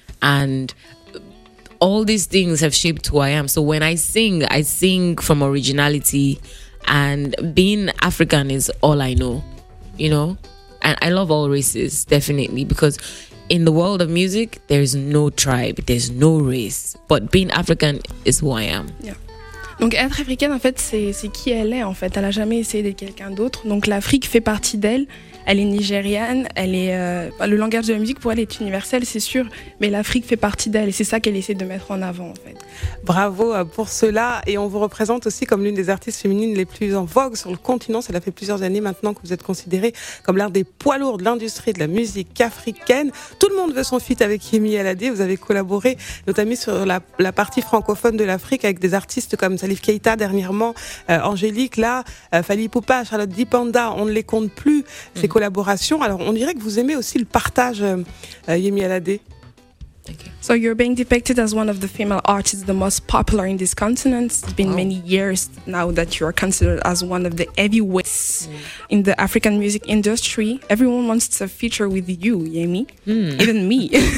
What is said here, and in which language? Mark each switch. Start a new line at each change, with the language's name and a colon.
English: And all these things have shaped who I am. So when I sing from originality. And being African is all I know, you know? And I love all races, definitely, because in the world of music, there is no tribe, there's no race. But being African is who I am. Yeah.
French: Donc être africaine, en fait, c'est qui elle est, en fait. Elle n'a jamais essayé d'être quelqu'un d'autre. Donc l'Afrique fait partie d'elle. elle est nigériane, elle est, le langage de la musique pour elle est universel, c'est sûr, mais l'Afrique fait partie d'elle et c'est ça qu'elle essaie de mettre en avant en fait. Bravo pour cela, et on vous représente aussi comme l'une des artistes féminines les plus en vogue sur le continent. Cela fait plusieurs années maintenant que vous êtes considérée comme l'un des poids lourds de l'industrie de la musique africaine. Tout le monde veut son feat avec Yemi Alade. Vous avez collaboré notamment sur la partie francophone de l'Afrique avec des artistes comme Salif Keita dernièrement, Angélique là, Fally Ipupa, Charlotte Dipanda, on ne les compte plus, ces collaborations. Alors on dirait que vous aimez aussi le partage, Yemi Alade.
English: So you're being depicted as one of the female artists the most popular in this continent. It's been many years now that you are considered as one of the heavyweights in the African music industry. Everyone wants to feature with you, Yemi, even me.